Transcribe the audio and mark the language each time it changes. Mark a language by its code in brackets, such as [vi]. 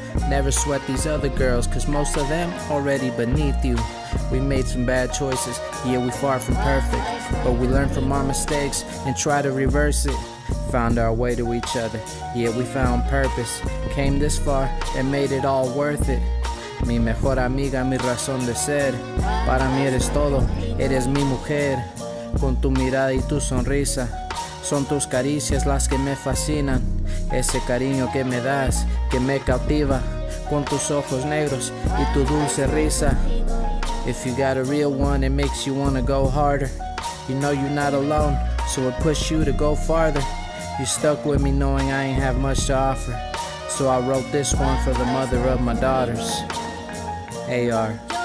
[en] Never sweat these other girls, cause most of them already beneath you. We made some bad choices, yeah, we far from perfect. But we learn from our mistakes and try to reverse it. Found our way to each other, yeah, we found purpose. Came this far and made it all worth it. [es] Mi mejor amiga, mi razón de ser. Para mí eres todo, eres mi mujer. Con tu mirada y tu sonrisa, son tus caricias las que me fascinan. Ese cariño que me das, que me cautiva. Con tus ojos negros y tu dulce risa. [en] If you got a real one, it makes you wanna go harder. You know you're not alone, so it pushes you to go farther. You stuck with me knowing I ain't have much to offer. So I wrote this one for the mother of my daughters. AR.